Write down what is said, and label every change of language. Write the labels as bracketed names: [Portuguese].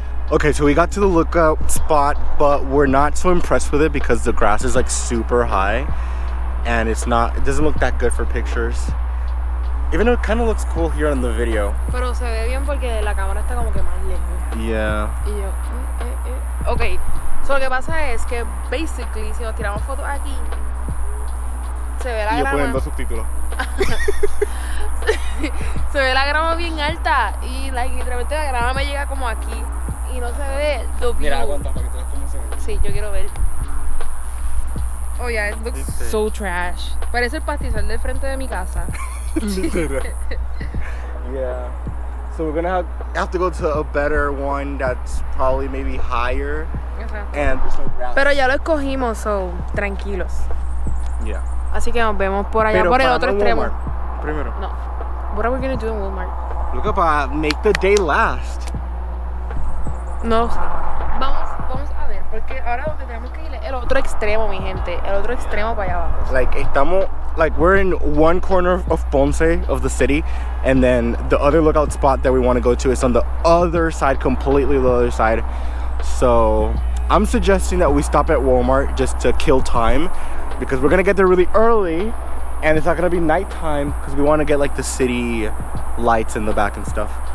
[English] Okay, so we got to the lookout spot, but we're not so impressed with it because the grass is like super high and it doesn't look that good for pictures. Even though it kind of looks cool here on the video. [Spanish] Pero se ve bien porque la cámara está como que más lejos. [English] Yeah. [Spanish] Y yo, Okay, so lo que pasa es que basically si nos tiramos fotos aquí, se ve la grama. Y yo poniendo subtítulos. Se ve la grama bien alta y like, realmente la grama me llega como aquí. Y no se ve el dopio. Mira, aguanta para que te veas cómo se ve. Sí, yo quiero ver. [English] Oh, yeah, it looks so trash. [Spanish] Parece el pastizal del frente de mi casa. [English] Yeah. So we're gonna have to go to a better one that's probably maybe higher. [Spanish] Exacto. [English] And there's no grass. [Spanish] Pero ya lo escogimos, so tranquilos. [English] Yeah. [Spanish] Así que nos vemos por allá, pero por el otro extremo. Primero. [English] No. What are we gonna do in Walmart? Look up, make the day last. [Spanish] No, vamos a ver, porque ahora donde tenemos que ir es el otro extremo, mi gente, el otro extremo para allá abajo. [English] Like, [Spanish] estamos, [English] like, we're in one corner of Ponce, of the city, and then the other lookout spot that we want to go to is on the other side, completely the other side. So, I'm suggesting that we stop at Walmart just to kill time, because we're going to get there really early, and it's not going to be nighttime, because we want to get, like, the city lights in the back and stuff.